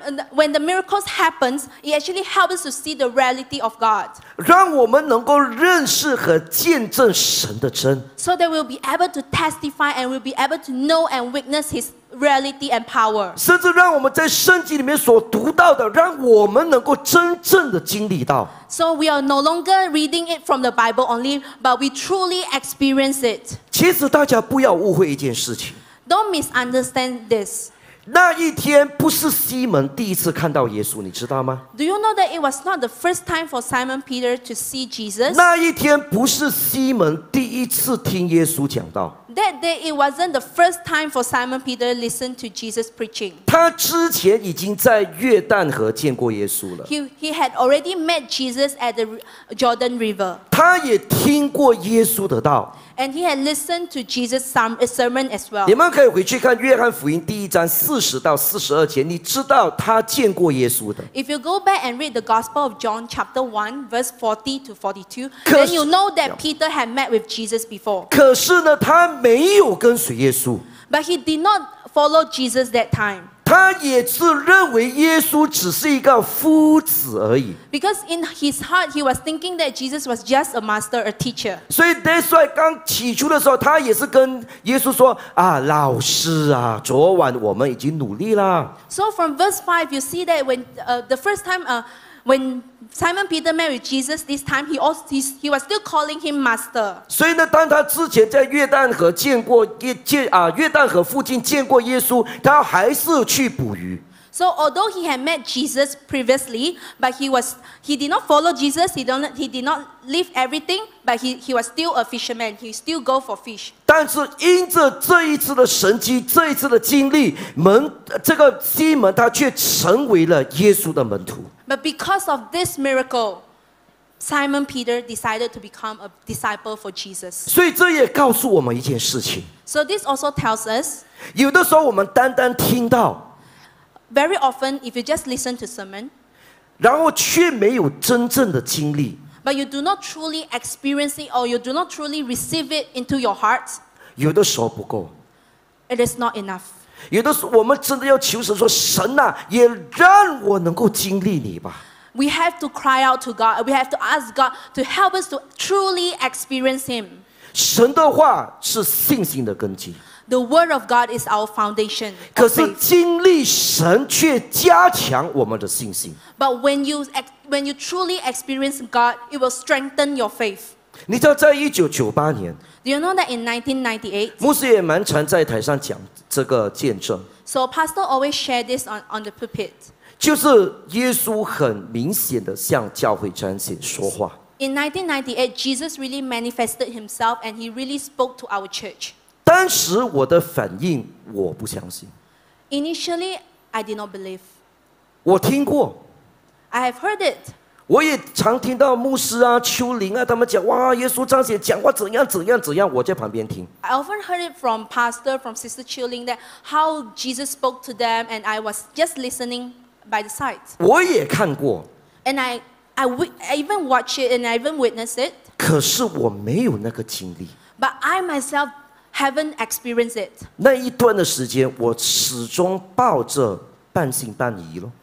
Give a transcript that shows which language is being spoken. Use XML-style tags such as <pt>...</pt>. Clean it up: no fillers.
<en>When the miracles happen, it actually helps us to see the reality of God.</en> <zh>让我们能够认识和见证神的真。</zh> <en>So that we'll be able to testify and we'll be able to know and witness His reality and power.</en> <zh>甚至让我们在圣经里面所读到的，让我们能够真正的经历到。</zh> <en>So we are no longer reading it from the Bible only, but we truly experience it.</en> <zh>其实大家不要误会一件事情。</zh> <en>Don't misunderstand this.</en> <zh>那一天不是西门第一次看到耶稣，你知道吗？</zh> <en>Do you know that it was not the first time for Simon Peter to see Jesus?</en> <zh>那一天不是西门第一次听耶稣讲道。</zh> <en>That day it wasn't the first time for Simon Peter to listen to Jesus preaching.</en> <zh>他之前已经在约旦河见过耶稣了。</zh> <en>He had already met Jesus at the Jordan River.</en> <zh>他也听过耶稣的道。</zh> <en>And he had listened to Jesus' sermon as well.</en> <zh>你们可以回去看约翰福音第一章40-42节，你知道他见过耶稣的。</zh> <en>If you go back and read the Gospel of John chapter 1 verse 40-42, then you know that Peter had met with Jesus before.</en> <zh>可是呢，他没有跟随耶稣。</zh> <en>But he did not follow Jesus that time.</en> <zh>他也是认为耶稣只是一个夫子而已。</zh> <en>Because in his heart, he was thinking that Jesus was just a master, a teacher.</en> <zh>所以</zh> <en>that's why</en> <zh>刚起初的时候，他也是跟耶稣说啊，老师啊，昨晚我们已经努力了。</zh> <en>So from verse 5, you see that when Simon Peter met with Jesus this time, he was still calling him master.</en> <zh>所以呢，当他之前在约旦河见过约旦河附近见过耶稣，他还是去捕鱼。</zh> <en>So although he had met Jesus previously, but he did not follow Jesus. He did not leave everything, but he was still a fisherman. He still go for fish.</en> <zh>但是因着这一次的神迹，这一次的经历，这个西门他却成为了耶稣的门徒。</zh> <en>But because of this miracle, Simon Peter decided to become a disciple for Jesus.</en> <zh>所以这也告诉我们一件事情。</zh> <en>So this also tells us.</en> <zh>有的时候我们单单听到。</zh> <en>Very often, if you just listen to sermon,</en> <zh>然后却没有真正的经历。</zh> <en>But you do not truly experience it, or you do not truly receive it into your heart.</en> <zh>有的时候不够。</zh> <en>It is not enough.</en> <zh>有的时候我们真的要求神说：“神啊，也让我能够经历你吧。”</zh> <en>We have to cry out to God. We have to ask God to help us to truly experience Him.</en> <zh>神的话是信心的根基。</zh> <en>The word of God is our foundation.</en> <zh>可是经历神却加强我们的信心。</zh> <en>But when you truly experience God, it will strengthen your faith.</en> <zh>你知道在1998年</zh> <en>Do you know that in 1998?</en> <zh>牧师也蛮常在台上讲这个见证。</zh> <en>So pastor always share this on the pulpit.</en> <zh>就是耶稣很明显的向教会彰显说话。</zh> <en>In 1998, Jesus really manifested himself and he really spoke to our church.</en> <zh>当时我的反应，我不相信。</zh> <en>Initially, I did not believe.</en> <zh>我听过。</zh> <en>I have heard it.</en> <zh>我也常听到牧师啊、秋林啊，他们讲哇，耶稣彰显讲话怎样怎样怎样，我在旁边听。</zh> <en>I often heard it from pastor, from sister Chiu Ling that how Jesus spoke to them, and I was just listening by the side.</en> <zh>我也看过。</zh> <en>And I even watch it and I even witness it.</en> <zh>可是我没有那个经历。</zh> <en>But I myself. Haven't experienced it.</en> <zh>那一段的时间，我始终抱着半信半疑咯。</zh>